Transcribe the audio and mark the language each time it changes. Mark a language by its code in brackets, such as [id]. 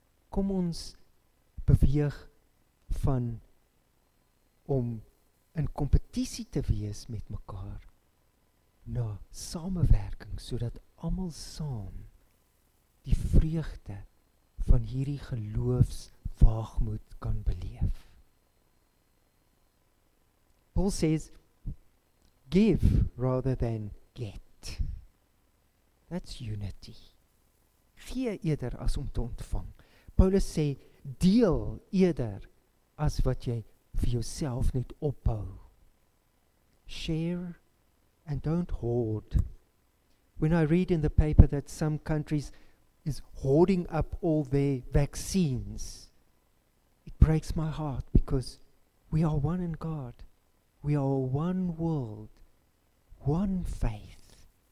[af] kom ons beweeg van om in kompetisie te wees met mekaar, na samenwerking, sodat almal saam die vreugde van hierdie geloofswaagmoed kan beleef. [en] Paul says, give rather than get. That's unity. [af] Gee eerder as om te ontvang. Paulus sê, deel eerder as wat jy vir jouself net opbou. [en] Share and don't hoard. When I read in the paper that some countries is hoarding up all their vaccines, it breaks my heart because we are one in God. We are one world, one faith.